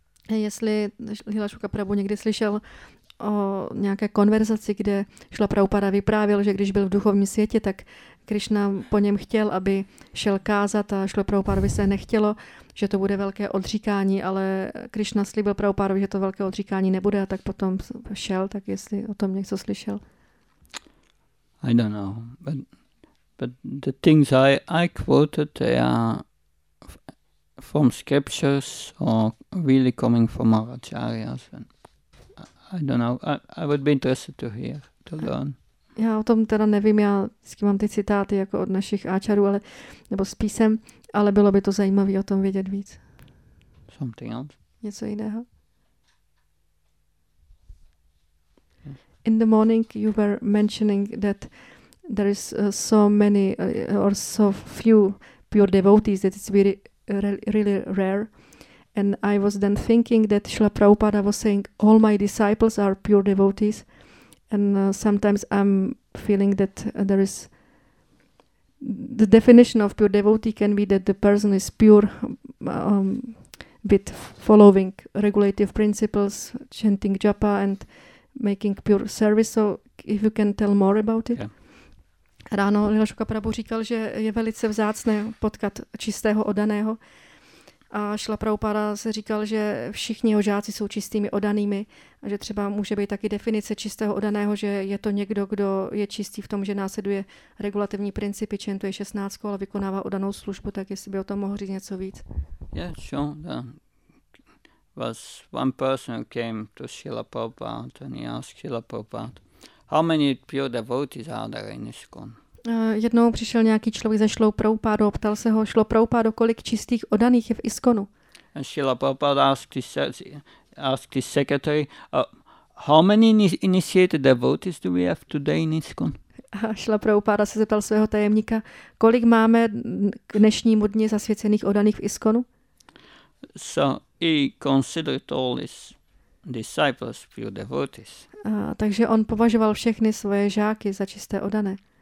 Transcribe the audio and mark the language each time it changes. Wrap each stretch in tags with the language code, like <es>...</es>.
<cs>Jestli Lila Šuka Prabhu někdy slyšel o nějaké konverzaci, kde Šila Prabhupada vyprávěl, že když byl v duchovním světě, tak Krišna po něm chtěl, aby šel kázat a Šila Prabhupada by se nechtělo, že to bude velké odříkání, ale Krišna slíbil Prabhupada, že to velké odříkání nebude a tak potom šel, tak jestli o tom něco slyšel.</cs> <en>I don't know, but the things I quoted, they are from scriptures or really coming from our acharyas. And I don't know. I would be interested to hear, to learn.</en> <cs>Já o tom teda nevím, já vždycky mám ty citáty jako od našich áčarů, ale nebo s písem, ale bylo by to zajímavé o tom vědět víc.</cs> <en>Something else?</en> <cs>Něco jiného.</cs> <en>In the morning you were mentioning that there is so many or so few pure devotees that it's very really rare, and I was then thinking that Srila Prabhupada was saying all my disciples are pure devotees, and sometimes I'm feeling that there is the definition of pure devotee can be that the person is pure with following regulative principles, chanting japa and making pure service. So if you can tell more about it. Yeah.</en> <cs>Ráno Lila Šuka Prabhu říkal, že je velice vzácné potkat čistého oddaného. A Šila Prabhupada se říkal, že všichni jeho žáci jsou čistými oddanými a že třeba může být taky definice čistého oddaného, že je to někdo, kdo je čistý v tom, že následuje regulativní principy, čentuje 16, ale vykonává oddanou službu, tak jestli by o tom mohl říct něco víc.</cs> <en>Yeah, sure. There was one person who came to Srila Prabhupada and he asked Srila Prabhupada, how many pure devotees are there in ISKCON?</en> <cs>Jednou přišel nějaký člověk ze Šlou Prabhupádu, ptal se ho, Šlo Prabhupádu, kolik čistých oddaných je v ISKCONu?</cs> <en>And Srila Prabhupada asked his secretary, how many initiated devotees do we have today in ISKCON?</en> <cs>A Šla Prabhupáda se zeptal svého tajemníka, kolik máme k dnešnímu dni zasvěcených oddaných v ISKCONu?</cs> <en>So he considered all his disciples pure devotees.</en> <cs>Takže on považoval všechny svoje žáky za čisté oddané.</cs>